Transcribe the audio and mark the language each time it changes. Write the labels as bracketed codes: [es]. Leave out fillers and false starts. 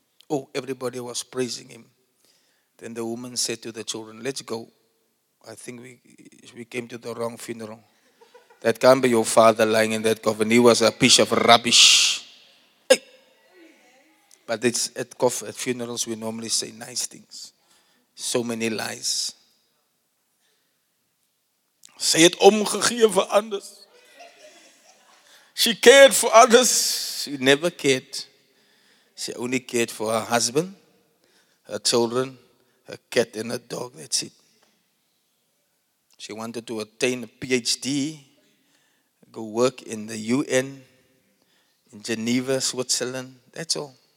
[en] Oh, everybody was praising him. Then the woman said to the children, "Let's go. I think we came to the wrong funeral. That can't be your father lying in that coffin. He was a piece of rubbish." Hey. But it's at funerals we normally say nice things. So many lies. [af] Sy het omgegee vir anders. [en] She cared for others. She never cared. She only cared for her husband, her children, her cat and her dog. That's it. She wanted to attain a PhD, go work in the UN, in Geneva, Switzerland. That's all.